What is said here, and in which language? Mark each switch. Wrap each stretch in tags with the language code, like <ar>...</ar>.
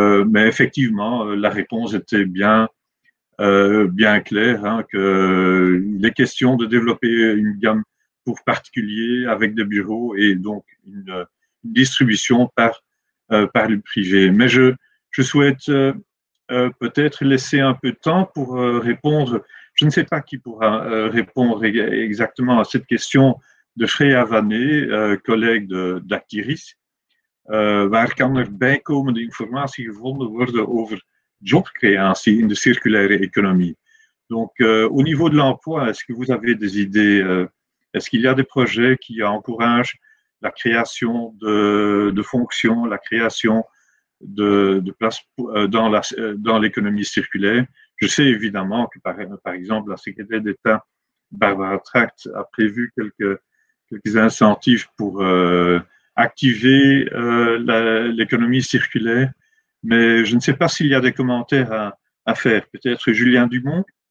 <fr>mais effectivement, la réponse était bien claire, hein, que il est question de développer une gamme pour particuliers avec des bureaux et donc une distribution par le privé. Mais je souhaite peut-être laisser un peu de temps pour répondre. Je ne sais pas qui pourra répondre exactement à cette question de Freya Vanet, collègue d'Actiris.</fr> <nl>Waar kan er bijkomende informatie gevonden worden over jobcreatie in de circulaire economie?</nl> <fr>Donc, au niveau de l'emploi, est-ce que vous avez des idées? Est-ce qu'il y a des projets qui encouragent la création de fonctions, la création de places dans l'économie circulaire? Je sais évidemment que, par exemple, la secrétaire d'État, Barbara Tracht, a prévu quelques incentives pour activer l'économie circulaire, mais je ne sais pas s'il y a des commentaires à faire. Peut-être Julien Dumont.</fr>